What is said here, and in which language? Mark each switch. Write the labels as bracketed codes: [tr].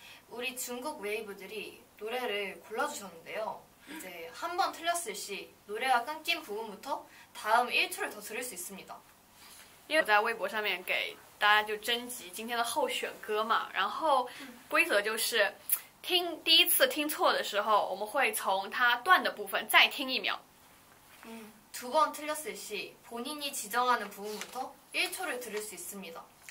[ko] 우리 중국 웨이브들이 노래를 골라주셨는데요. 이제 한 번 틀렸을 시 노래가 끊긴 부분부터 다음 1초를 더 들을 수 있습니다. [zh] 因为我在微博上面给大家就征集今天的候选歌嘛，然后规则就是听第一次听错的时候，我们会从它断的部分再听一秒。 [ko] 두 번 틀렸을 시 본인이 지정하는 부분부터 1초를 들을 수 있습니다.